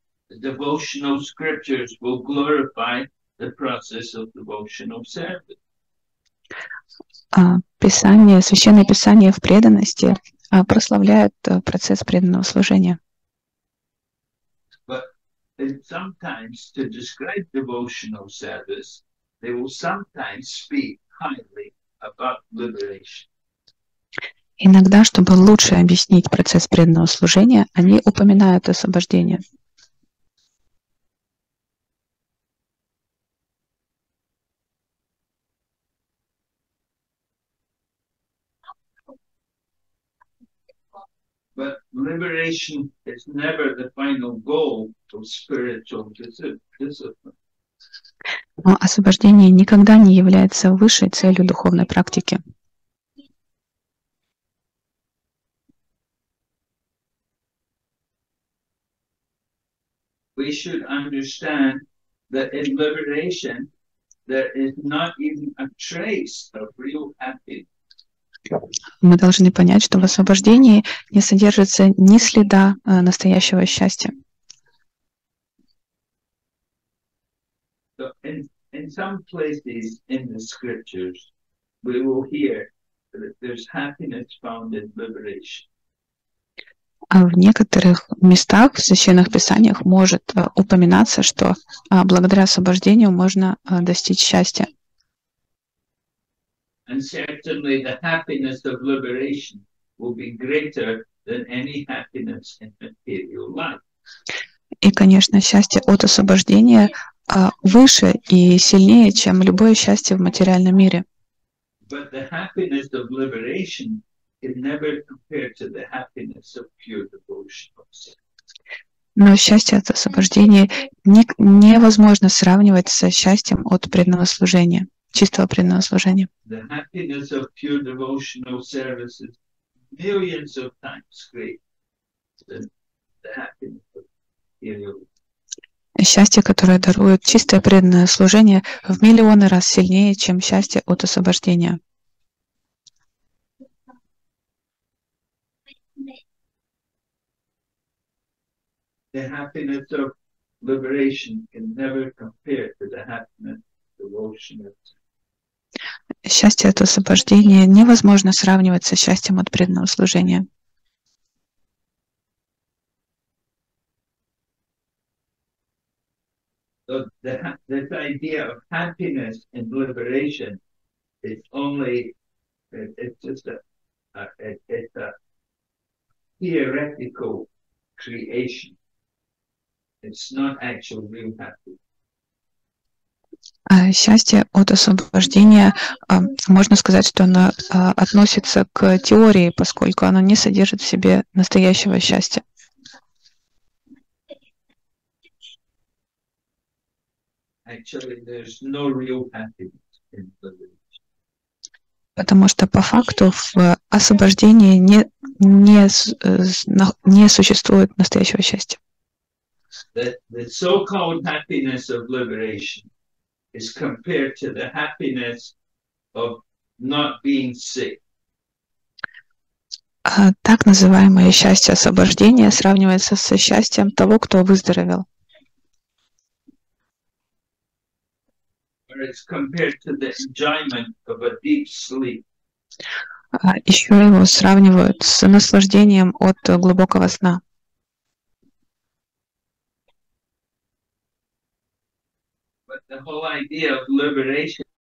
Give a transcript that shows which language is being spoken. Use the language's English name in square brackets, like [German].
[English] The devotional scriptures will glorify the process of devotional service. [Russian] Писание, Священное Писание в преданности прославляет процесс преданного служения. [English] But sometimes to describe devotional service, they will sometimes speak highly about liberation. [Russian] Иногда, чтобы лучше объяснить процесс преданного служения, они упоминают освобождение. [English] But liberation is never the final goal of spiritual discipline. [Russian] Но освобождение никогда не является высшей целью духовной практики. [English] We should understand that in liberation there is not even a trace of real happiness. [Russian] Мы должны понять, что в освобождении не содержится ни следа настоящего счастья. [English] So in some places in the scriptures we will hear that there's happiness found in liberation. [Russian] А в некоторых местах в священных писаниях может упоминаться, что благодаря освобождению можно достичь счастья. [English] And certainly the happiness of liberation will be greater than any happiness in material life. [Russian] И, конечно, счастье от освобождения выше и сильнее, чем любое счастье в материальном мире. [English] But the happiness of liberation can never compare to the happiness of pure devotional service. [Russian] Но счастье от освобождения невозможно сравнивать со счастьем от преданного служения, чистого преданного служения. [English] The happiness of pure devotional service is millions of times greater than the happiness of material life. [Russian] Счастье, которое дарует чистое преданное служение, в миллионы раз сильнее, чем счастье от освобождения. [English] The happiness of liberation can never compare to the happiness of devotion. [Russian] Счастье от освобождения невозможно сравнивать со счастьем от преданного служения. [English] So this idea of happiness and liberation is only, it's just a theoretical creation. It's not actual real happiness. [Russian] Счастье от освобождения, можно сказать, что оно относится к теории, поскольку оно не содержит в себе настоящего счастья. [English] Actually, there's no real happiness in religion. [Russian] Потому что по факту в освобождении не существует настоящего счастья. [English] The so-called happiness of liberation is compared to the happiness of not being sick. [Russian] Так называемое счастье освобождения сравнивается со счастьем того, кто выздоровел. [English] It's compared to the enjoyment of a deep sleep. [Russian] Еще его сравнивают с наслаждением от глубокого сна. [English] But the whole idea of liberation.